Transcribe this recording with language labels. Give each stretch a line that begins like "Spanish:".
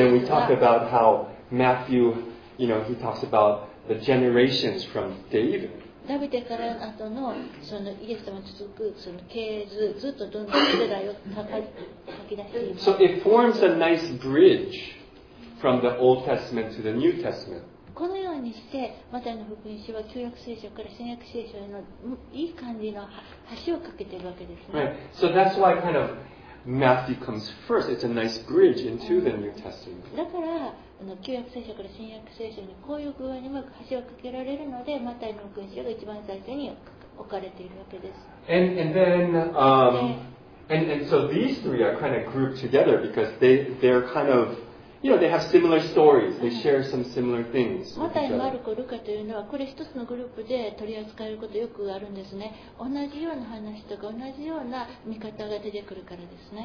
English: And then we talk about how Matthew, you know, he talks aboutThe generations from David.
Japanese: ダビデから後のそのイエス様に続くその系図ずっとどんどん世代を書き出しています。
English: So it forms a nice bridge from the Old Testament to the New Testament.
Japanese: このようにしてマタイの福音書は旧約聖書から新約聖書へのいい感じの橋を架けているわけですね。
English: Right. So that's why kind of Matthew comes first. It's a nice bridge into the New Testament.
Japanese: だから。旧約聖書から新約聖書にこういう具合にも橋を架けられるので、マタイの福音書が一番最初に置かれているわけです。
English: And so these three are kind of grouped together because they're kind of, you know, they have similar stories. They share some similar things.
Japanese: マタイ、マルコ、ルカというのはこれ一つのグループで取り扱えることよくあるんですね。同じような話とか同じような見方が出てくるからですね。